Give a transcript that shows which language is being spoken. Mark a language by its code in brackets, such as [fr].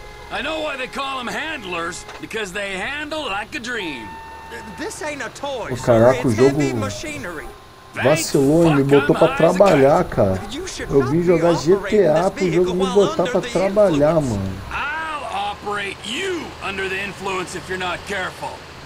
[en] I know why they call them handlers, because they handle like a dream. This ain't a toy. [pt] O caraca, [en] it's [pt] o jogo [en] heavy machinery. [pt] Vacilou e me botou pra trabalhar, cara. Eu vim jogar GTA pro jogo me botar pra trabalhar, mano. [en] I'll operate you under the influence if you're not careful.